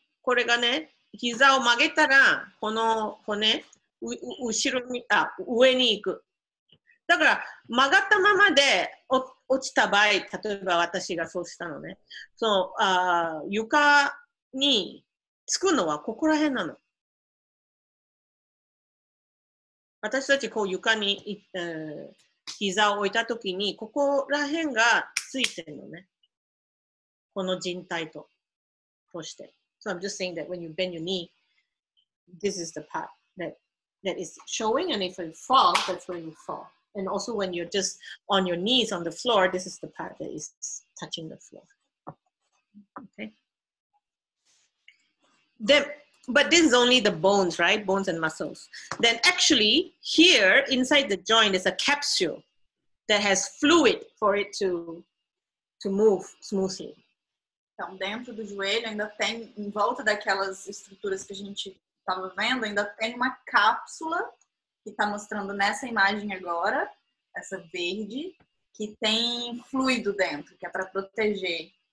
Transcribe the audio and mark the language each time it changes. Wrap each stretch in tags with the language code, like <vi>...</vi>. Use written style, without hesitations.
<ja>これがね、膝を曲げたら、この骨、 後ろに、あ、上に行く。だから、曲がったままで落ちた場合、例えば私がそうしたのね。その、床につくのはここら辺なの。私たちこう床に、膝を置いた時に、ここら辺がついてるのね。この靭帯と、として。</ja> <en>So I'm just saying that when you bend your knee, this is the part that is showing, and if it falls, that's where you fall. And also when you're just on your knees on the floor, this is the part that is touching the floor. Okay. Then, but this is only the bones, right? Bones and muscles. Then actually, here inside the joint is a capsule that has fluid for it to move smoothly.</en> <pt>Então, dentro do joelho ainda tem, em volta daquelas estruturas que a gente estava vendo, ainda tem uma cápsula que está mostrando nessa imagem agora, essa verde, que tem fluido dentro, que é para proteger.</pt>